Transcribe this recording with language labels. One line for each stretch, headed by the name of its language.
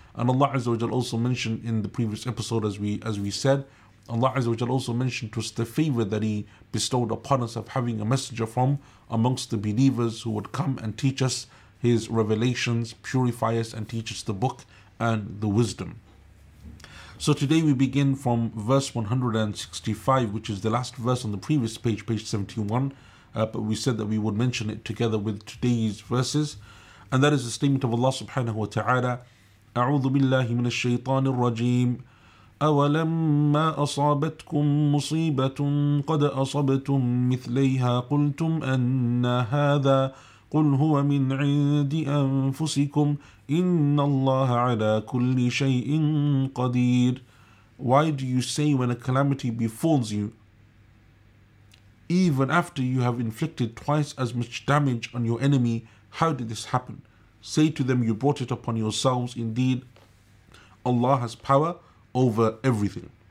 English: And Allah Azza wa Jal also mentioned in the previous episode, as we said, Allah Azza wa Jal also mentioned to us the favor that He bestowed upon us of having a messenger from amongst the believers who would come and teach us His revelations, purify us and teach us the book and the wisdom. So today we begin from verse 165, which is the last verse on the previous page, page 71. But we said that we would mention it together with today's verses. And that is the statement of Allah subhanahu wa ta'ala,
Arabic: أعوذ بالله من الشيطان الرجيم أولما أصابتكم مصيبة قد أصبتم مثليها قلتم أن هذا قل هو من عند أنفسكم إن الله على كل شيء قدير.
English: Why do you say when a calamity befalls you, even after you have inflicted twice as much damage on your enemy, how did this happen? Say to them, you brought it upon yourselves. Indeed, Allah has power over everything.